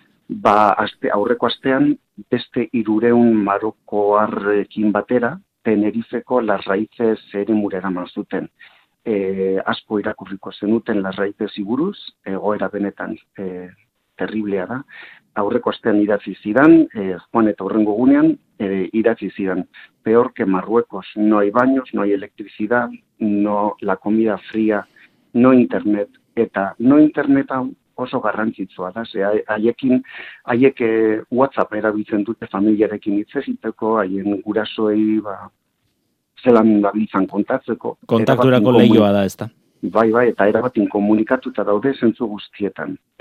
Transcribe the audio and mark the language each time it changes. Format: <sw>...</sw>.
<eu>Ba, aurreko astean, beste 300 marokoarrekin batera, Tenerifeko Las Raíces eremura eraman zuten. Asko irakurriko zenuten Las Raíces buruz, egoera benetan terriblea da. Aurreko astean idatzi zidan, Juan eta horrengo gunean, idatzi zidan.</eu> <es>Peor que Marruecos, no hay baños, no hay electricidad, no la comida fría, no internet.</es> <eu>Eta no interneta oso garrantzitsua da, ze haiekin, haiek WhatsApp erabiltzen dute familiarekin hitz egiteko, haien gurasoei, ba, zelan dabiltzan kontatzeko. Kontakturako leioa da, ezta? Bai, bai, eta erabat inkomunikatuta daude zentzu guztietan.</eu>